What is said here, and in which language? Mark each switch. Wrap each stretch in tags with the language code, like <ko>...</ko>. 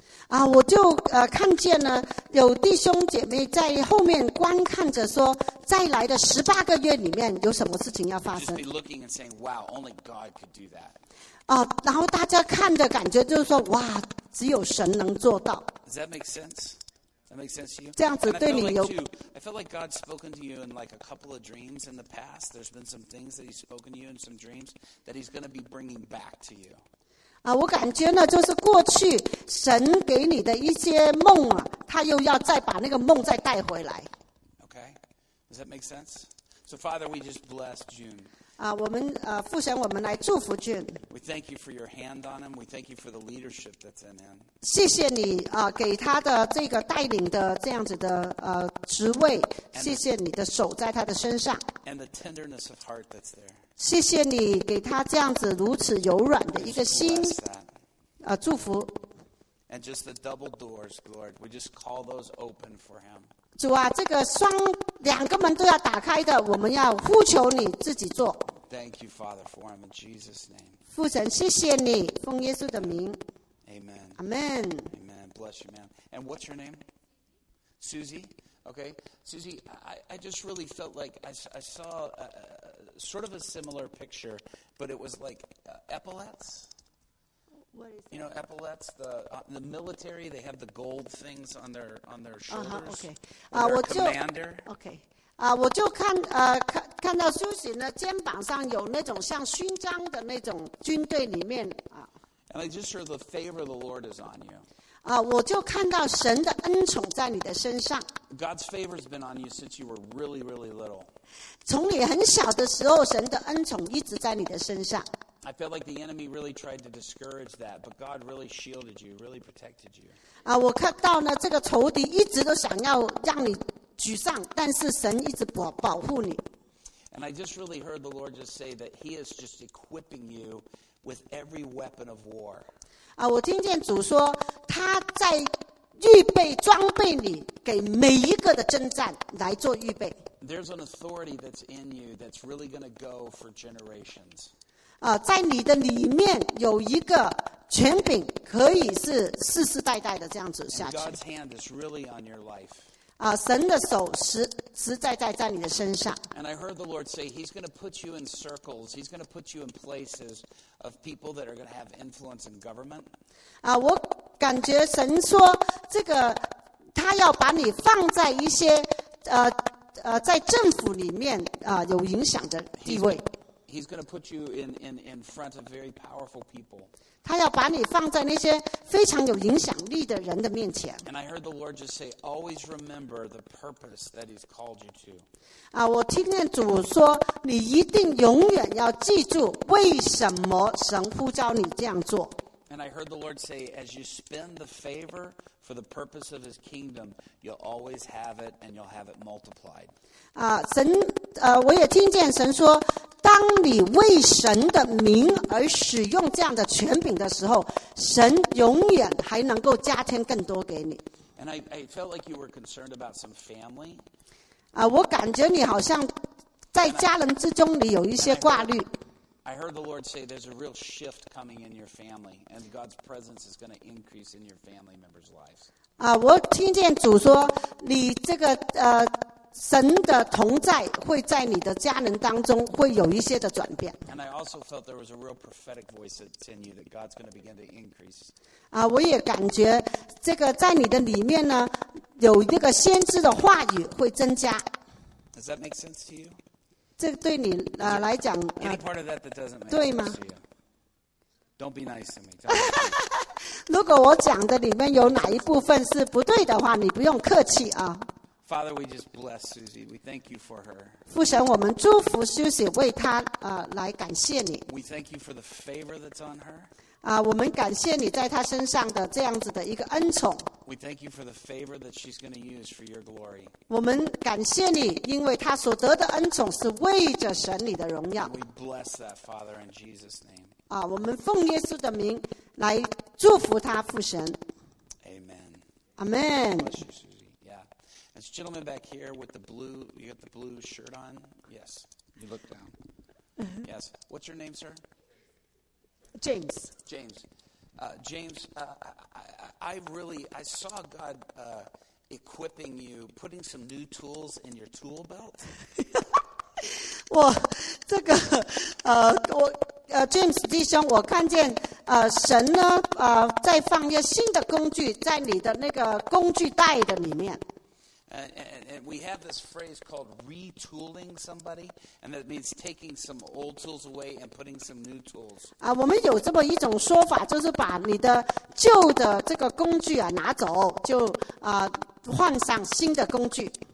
<zh>啊，我就看见呢，有弟兄姐妹在后面观看着说，再来的十八个月里面有什么事情要发生。</zh> <en>Just be looking and saying, wow, only God could do that.</en> <zh>啊，然后大家看着感觉就是说，哇，只有神能做到。</zh> <en>Does that make sense? That makes sense to you?</en> <zh>这样子对你有。</zh> <en>I feel like God's spoken to you in like a couple of dreams in the past. There's been some things that He's spoken to you in some dreams that He's going to be bringing back to you.</en> <zh>啊，我感觉呢，就是过去神给你的一些梦啊，他又要再把那个梦再带回来。</zh> <en>Okay, does that make sense? So, Father, we just bless June.</en> <zh>啊，我们父神，我们来祝福 June.</zh> <en>We thank you for your hand on him. We thank you for the leadership that's in him.</en> <zh>谢谢你啊，给他的这个带领的这样子的职位。谢谢你的手在他的身上。</zh> <en>And the tenderness of heart that's there.</en> <zh>谢谢你给他这样子如此柔软的一个心，祝福。</zh> <en>And just the double doors, Lord, we just call those open for him.</en> <zh>主啊，这个两个门都要打开的，我们要呼求你自己做。</zh> <en>Thank you, Father, for him in Jesus' name.</en> <zh>父神，谢谢你，奉耶稣的名。</zh> <en>Amen. Amen. Amen. Bless you, man. And what's your name? Susie. Okay, Susie, I just really felt like I saw. Sort of a similar picture, but it was like epaulets. What is that? You know, epaulets, the military, they have the gold things on their shoulders. Uh-huh, okay. Commander. Okay.</en> <zh>我就看到 Susie 呢，肩膀上有那种像勋章的那种军队里面啊。</zh> <en>And I just heard the favor of the Lord is on you.</en> <zh>啊，我就看到神的恩宠在你的身上。</zh> <en>God's favor has been on you since you were really, really little.</en> <zh>从你很小的时候，神的恩宠一直在你的身上。</zh> <en>I felt like the enemy really tried to discourage that, but God really shielded you, really protected you.</en> <zh>啊，我看到呢，这个仇敌一直都想要让你沮丧，但是神一直保护你。</zh> <en>And I just really heard the Lord just say that He is just equipping you with every weapon of war.</en> <zh>啊，我听见主说，他在预备装备你给每一个的征战来做预备。</zh> <en>There's an authority that's in you that's really going to go for generations.</en> <zh>啊，在你的里面有一个权柄，可以是世世代代的这样子下去。</zh> <en>God's hand is really on your life.</en> <zh>啊，神的手实实在在在你的身上。</zh> <en>And I heard the Lord say He's going to put you in circles. He's going to put you in places of people that are going to have influence in government.</en> <zh>啊，我感觉神说这个，他要把你放在一些在政府里面有影响的地位。</zh> <en>He's going to put you in front of very powerful people.</en> <zh>他要把你放在那些非常有影响力的人的面前。</zh> <en>And I heard the Lord just say, always remember the purpose that He's called you to.</en> <zh>啊，我听见主说，你一定永远要记住为什么神呼召你这样做。</zh> <en>And I heard the Lord say, as you spend the favor. For the purpose of His kingdom, you'll always have it, and you'll have it multiplied.</en> <zh>啊，神，我也听见神说，当你为神的名而使用这样的权柄的时候，神永远还能够加添更多给你。</zh> <en>And I felt like you were concerned about some family.</en> <zh>啊，我感觉你好像在家人之中，你有一些挂虑。</zh> <en>I heard the Lord say there's a real shift coming in your family and God's presence is going to increase in your family members' lives.</en> <zh>我听见主说你这个神的同在会在你的家人当中会有一些的转变。</zh> <en>And I also felt there was a real prophetic voice that's in you that God's going to begin to increase.</en> <zh>啊，我也感觉这个在你的里面呢，有一个先知的话语会增加。</zh> <en>Does that make sense to you?</en> <zh>这对你来讲，</zh> <en>Any part of that that doesn't make sense?</en> <zh>对吗</zh> <en>？Don't be nice to me.</en> <zh>如果我讲的里面有哪一部分是不对的话，你不用客气啊。</zh> <en>Father, we just bless Susie. We thank you for her.</en> <zh>父神，我们祝福 Susie， 为她来感谢你。</zh> <en>We thank you for the favor that's on her.</en> <zh>啊，我们感谢你在她身上的这样子的一个恩宠。</zh> <en>We thank you for the favor that she's going to use for your glory.</en> <zh>我们感谢你，因为她所得的恩宠是为着神你的荣耀。</zh> <en>We bless that, Father, in Jesus' name.</en> <zh>啊，我们奉耶稣的名来祝福她，父神。</zh> <en>Amen. Amen. Bless you, Susie. This gentleman back here with the blue, you got the blue shirt on? Yes, you look down. Yes, what's your name, sir? James. James. James, I saw God equipping you, putting some new tools in your tool belt.</en> <zh>哇，这个，我，James 弟兄，我看见，神呢，在放一个新的工具在你的那个工具袋的里面。</zh> <en>And we have this phrase called retooling somebody, and that means taking some old tools away and putting some new tools.</en> <zh>啊，我们有这么一种说法，就是把你的旧的这个工具啊拿走，就啊换上新的工具。</zh>